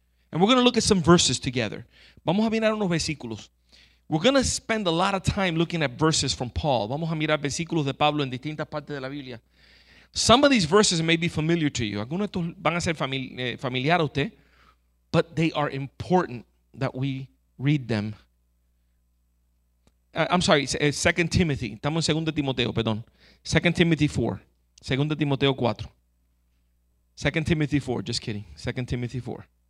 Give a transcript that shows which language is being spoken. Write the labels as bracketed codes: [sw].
[en] And we're going to look at some verses together. [es] Vamos a mirar unos versículos. [en] We're going to spend a lot of time looking at verses from Paul. [es] Vamos a mirar versículos de Pablo en distintas partes de la Biblia. [en] Some of these verses may be familiar to you. [es] Algunos de estos van a ser familiar a usted. [en] But they are important that we read them. I'm sorry, 2 Timothy. [es] Estamos en 2 Timoteo, perdón. [en] 2 Timothy 4. 2 Timoteo 4. 2 Timothy 4, just kidding. 2 Timothy 4.